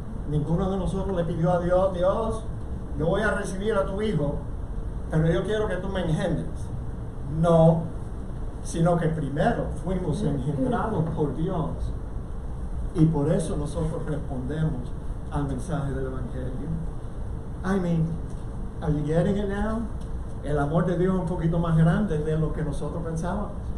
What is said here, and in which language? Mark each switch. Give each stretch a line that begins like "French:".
Spanish: Ninguno de nosotros le pidió a Dios: Dios, yo voy a recibir a tu hijo, pero yo quiero que tú me engendres. No, sino que primero fuimos engendrados por Dios. Y por eso nosotros respondemos al mensaje del Evangelio.
English: I mean, are you getting it now?
Spanish: El amor de Dios es un poquito más grande de lo que nosotros pensábamos.